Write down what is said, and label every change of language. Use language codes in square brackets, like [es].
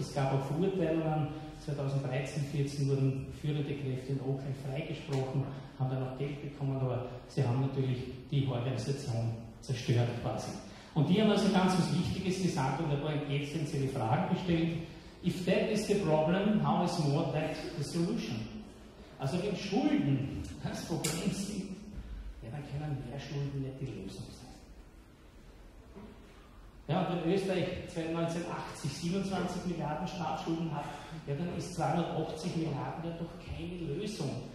[de] Es gab auch Verurteilungen. 2013/14 wurden führende Kräfte in Oakland freigesprochen, haben dann auch Geld bekommen, aber sie haben natürlich die Organisation zerstört quasi. Und die haben also ganz was Wichtiges gesagt und ein paar essentielle Fragen gestellt. [en] If that is the problem, how is more debt the solution? [de] Also wenn Schulden das Problem sind, ja, dann können mehr Schulden nicht die Lösung sein. Ja, und wenn Österreich 1980 27 Milliarden Staatsschulden hat, ja, dann ist 280 Milliarden ja doch keine Lösung.